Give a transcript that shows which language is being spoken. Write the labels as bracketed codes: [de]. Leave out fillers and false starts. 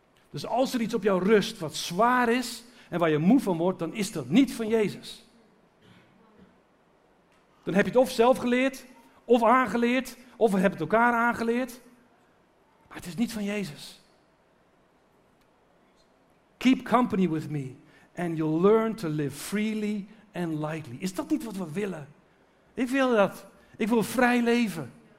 [nl] Dus als er iets op jou rust wat zwaar is en waar je moe van wordt, dan is dat niet van Jezus. Dan heb je het of zelf geleerd, of aangeleerd, of we hebben het elkaar aangeleerd. Maar het is niet van Jezus. [en] Keep company with me and you'll learn to live freely and lightly. [nl] Is dat niet wat we willen? Ik wil dat. Ik wil vrij leven.